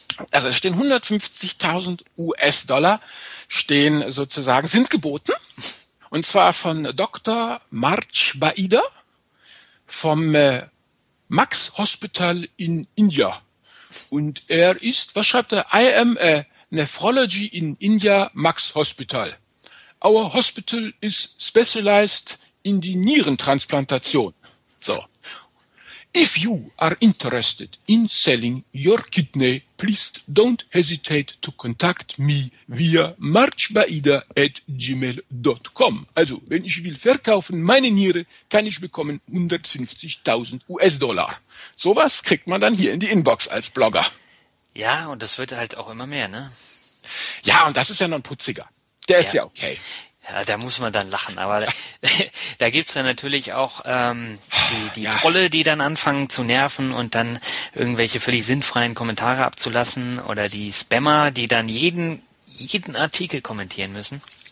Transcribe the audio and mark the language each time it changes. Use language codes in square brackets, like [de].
[de] Also es stehen 150.000 US-Dollar stehen sozusagen, sind geboten. Und zwar von Dr. Marc Baida vom Max Hospital in India. Und er ist, was schreibt er? [en] I am a nephrology in India Max Hospital. Our hospital is specialized in the Nierentransplantation. So. If you are interested in selling your kidney, please don't hesitate to contact me via marchbaida@gmail.com. [de] Also, wenn ich will verkaufen meine Niere, kann ich bekommen 150.000 US-Dollar. Sowas kriegt man dann hier in die Inbox als Blogger. Ja, und das wird halt auch immer mehr, ne? Ja, und das ist ja noch ein Putziger. Der ist ja okay. Ja, da muss man dann lachen, aber da gibt es dann natürlich auch die Trolle, die dann anfangen zu nerven und dann irgendwelche völlig sinnfreien Kommentare abzulassen oder die Spammer, die dann jeden Artikel kommentieren müssen.